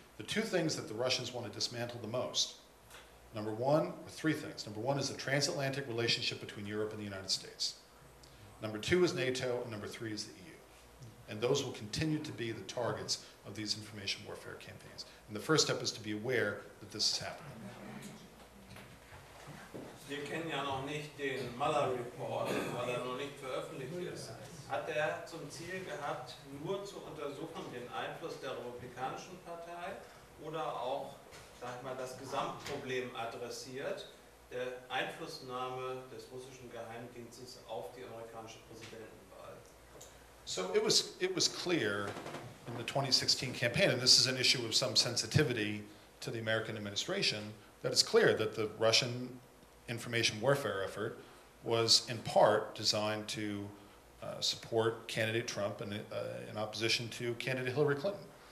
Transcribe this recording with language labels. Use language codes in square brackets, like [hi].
[en] The two things that the Russians want to dismantle the most, number one, or three things. Number one is the transatlantic relationship between Europe and the United States. Number two is NATO, and number three is the EU. And those will continue to be the targets of these information warfare campaigns. And the first step is to be aware that this is happening. [de] Wir kennen ja noch nicht den Mueller Report, weil er noch nicht veröffentlicht ist. Hat er zum Ziel gehabt, nur zu untersuchen den Einfluss der Republikanischen Partei oder auch, sag ich mal, das Gesamtproblem adressiert, der Einflussnahme des russischen Geheimdienstes auf die amerikanische Präsidenten? [en] So it was clear in the 2016 campaign, and this is an issue of some sensitivity to the American administration, that it's clear that the Russian information warfare effort was in part designed to support candidate Trump and in opposition to candidate Hillary Clinton.